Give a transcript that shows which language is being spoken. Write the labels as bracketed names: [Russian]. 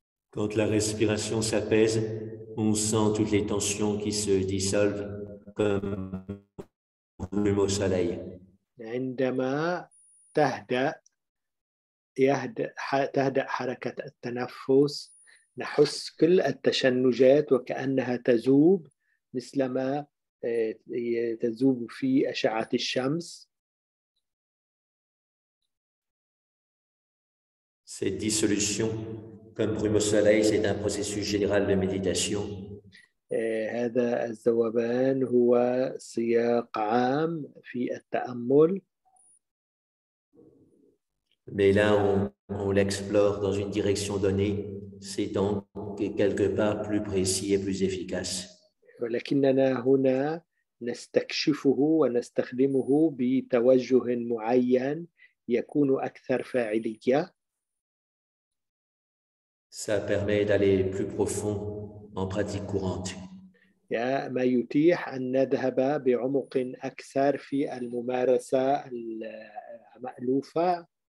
[French] Quand la respiration s'apaise, on sent toutes les tensions qui se dissolvent comme le mot soleil. [Arabic] عندما تهدأ تهدأ حركة التنفس نحس كل التشنجات وكأنها تذوب مثلما تذوب في أشعة الشمس. [French] Cette dissolution comme brume au soleil, c'est un processus général de méditation. [Arabic] هذا الذوبان هو سياق عام في التأمل. [French] Mais là, on l'explore dans une direction donnée, c'est donc quelque part plus précis et plus efficace. [Arabic] ولكننا هنا نستكشفه ونستخدمه بتوجه معين يكون أكثر فاعلية. [French] Ça permet d'aller plus profond en pratique courante. [Arabic] ما يتيح أن نذهب بعمق أكثر في الممارسة المألوفة.